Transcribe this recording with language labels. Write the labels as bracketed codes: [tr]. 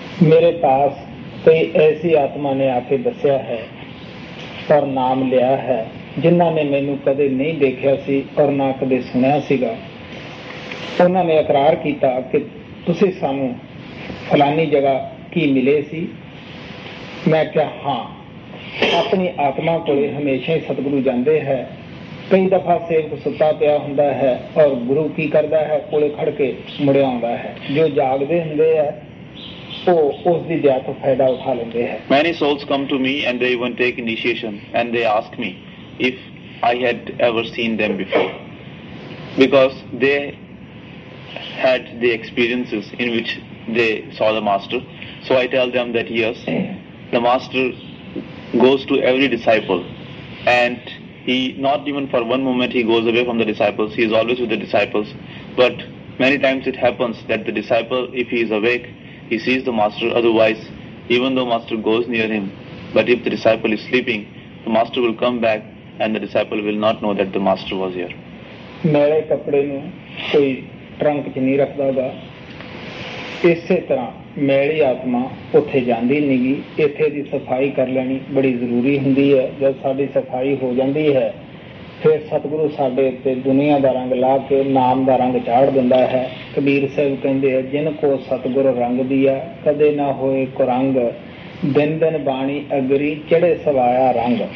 [pa] mere paas koi aisi atma ne aake dassya hai par naam liya hai jinna ne mainu kade nahi dekhya si aur na kade sunya si ga unna ne ikrar kita ke ਤੁਸੀਂ ਸਾਨੂੰ ਫਲਾਨੀ ਜਗ੍ਹਾ ਕੀ ਮਿਲੇ ਸੀ ਮੈਂ ਕਿਹਾ ਹਾਂ ਆਪਣੀ ਆਤਮਾ ਕੋਲ ਹਮੇਸ਼ਾ ਹੀ ਸਤਿਗੁਰੂ ਜਾਂਦੇ ਹੈ ਕਈ ਦਫ਼ਾ ਸੇਵਕ ਸੁੱਤਾ ਪਿਆ ਹੁੰਦਾ ਹੈ ਔਰ ਗੁਰੂ ਕੀ ਕਰਦਾ ਹੈ ਕੋਲੇ ਖੜ ਕੇ ਮੁੜਿਆ ਆਉਂਦਾ ਹੈ ਜੋ ਜਾਗਦੇ ਹੁੰਦੇ ਹੈ [en] Many souls come to me and they even take initiation and they ask me if I had ever seen them before. Because they had the experiences in which they saw the Master. So I tell them that yes, the Master goes to every disciple and he not even for one moment he goes away from the disciples, he is always with the disciples. But many times it happens that the disciple, if he is awake, he sees the Master. Otherwise, even though Master goes near him, but if the disciple is sleeping, the Master will come back and the disciple will not know that the Master was here. [pa] ਮੇਰੇ ਕੱਪੜੇ ਨੂੰ ਕੋਈ trunk ਚ ਨਹੀਂ ਰੱਖਦਾ ਹੁੰਦਾ ਇਸੇ ਤਰ੍ਹਾਂ ਮੇਰੀ ਆਤਮਾ ਉੱਥੇ ਜਾਂਦੀ ਨੀਗੀ ਇੱਥੇ ਦੀ ਸਫਾਈ ਕਰ ਲੈਣੀ ਬੜੀ ਜ਼ਰੂਰੀ ਹੁੰਦੀ ਹੈ ਜਦ ਸਾਡੀ ਸਫਾਈ ਹੋ ਜਾਂਦੀ ਹੈ ਫਿਰ ਸਤਿਗੁਰੂ ਸਾਡੇ ਉੱਤੇ ਦੁਨੀਆਂ ਦਾ ਰੰਗ ਲਾ ਕੇ ਨਾਮ ਦਾ ਰੰਗ ਚਾੜ ਦਿੰਦਾ ਹੈ ਕਬੀਰ ਸਾਹਿਬ ਕਹਿੰਦੇ ਆ ਜਿਨ ਕੋ ਸਤਿਗੁਰ ਰੰਗ ਦੀ ਆ ਕਦੇ ਨਾ ਹੋਏ ਕੁਰੰਗ ਦਿਨ ਦਿਨ ਬਾਣੀ ਅਗਰੀ ਚੜੇ ਸਵਾਇਆ ਰੰਗ